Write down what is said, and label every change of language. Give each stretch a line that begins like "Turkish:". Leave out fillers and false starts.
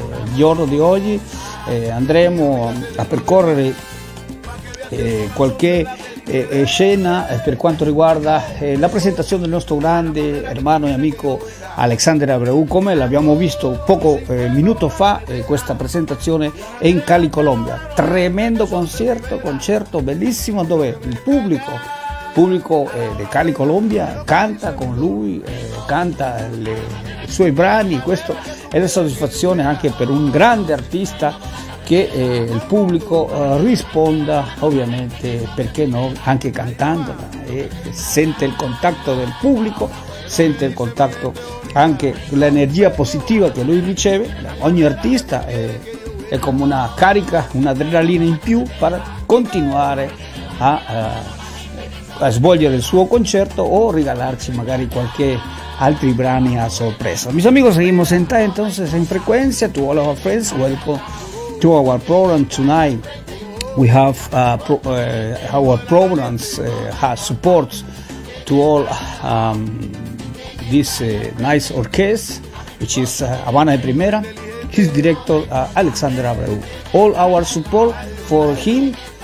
Spanish: El giorno de hoy
Italian: andremo a percorrer
Spanish: cualquier escena por cuanto riguarda la presentación de nuestro grande hermano y amigo Alexander Abreu, como lo habíamos visto poco minuto fa esta presentación en Cali, Colombia. Tremendo concierto bellísimo, donde el público de Cali, Colombia, canta
Italian: con lui, canta i suoi brani, questo è la soddisfazione anche per un grande artista che il pubblico risponda, ovviamente, perché no, anche cantandola, sente il contatto del pubblico, sente il contatto anche l'energia positiva che lui riceve, ogni artista è come una carica, un'adrenalina in più per continuare a svolgere il suo concerto o regalarci magari qualche altri brani a sorpresa.
Spanish: Mis amigos, seguimos en time, entonces en frecuencia.
English: To all of our friends, welcome to our program tonight. We have our programs has support to all this nice orchestra, which is Habana de Primera. His director Alexander Abreu. All our support for him.